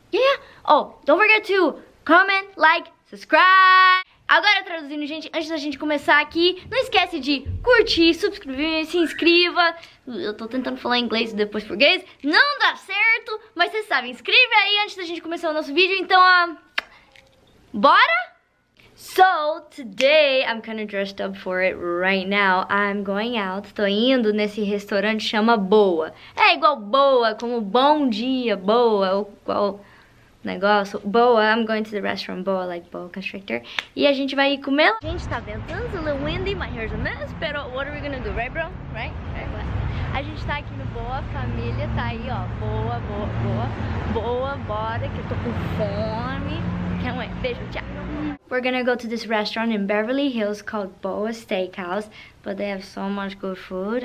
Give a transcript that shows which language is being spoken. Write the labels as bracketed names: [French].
[English] Yeah, oh, don't forget to comment, like, subscribe. [Portuguese] Agora traduzindo, gente, antes da gente começar aqui, não esquece de curtir, subscrever, se inscreva. Eu tô tentando falar inglês e depois português, não dá certo, mas vocês sabem, inscreve aí antes da gente começar o nosso vídeo, então, bora? [English] So, today, I'm kind of dressed up for it right now. I'm going out, [Portuguese] tô indo nesse restaurante, chama Boa. É igual Boa, como bom dia, Boa, ou qual... [English] negócio, Boa, I'm going to the restaurant, Boa, like Boa Constrictor. [Portuguese] E a gente vai comer. A gente tá ventando, [English] a little windy, my hair's a mess, but what are we gonna do, right bro? [Portuguese] Right? A gente tá aqui no Boa, família tá aí, ó, Boa, bora, que eu tô com fome. [English] Can't wait, [Portuguese] beijo, tchau. [English] We're gonna go to this restaurant in Beverly Hills called Boa Steakhouse, but they have so much good food.